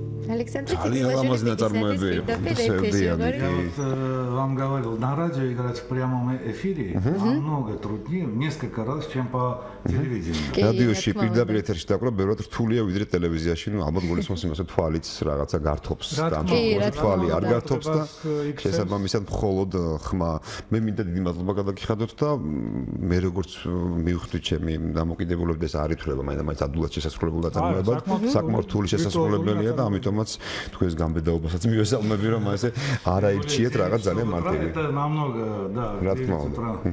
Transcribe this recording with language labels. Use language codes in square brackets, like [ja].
[ka] ძალიან ლამაზი ნაწარმოები ხსენდიან. [ru] Я вот вам говорил, на радио играть в прямом эфире намного труднее несколько раз, чем по телевидению. [ka] Радиоში პირდაპირ ეთერში დაკრა ბევრად რთულია ვიდრე ტელევიზიაში, ну ალბათ გულისხმობს იმას, რომ თვალიც რაღაცა გართობს და თვალი არ გართობს და შესაბამისად მხოლოდ ხმა. Მე მინდა დიდი მადლობა გადაგიხადოთ და მე როგორც მივხვდით ჩემი დამოკიდებულებას არ ითვლება მაინც ადულაც შესაძლებლობა წარმოება საკმაოდ რთული შესაძლებელია და ამიტომაც თქვენს გამბედაობასაც მივესალმები რომ ასე არაირჩიეთ რაღაც ძალიან მარტივი რა თქმა უნდა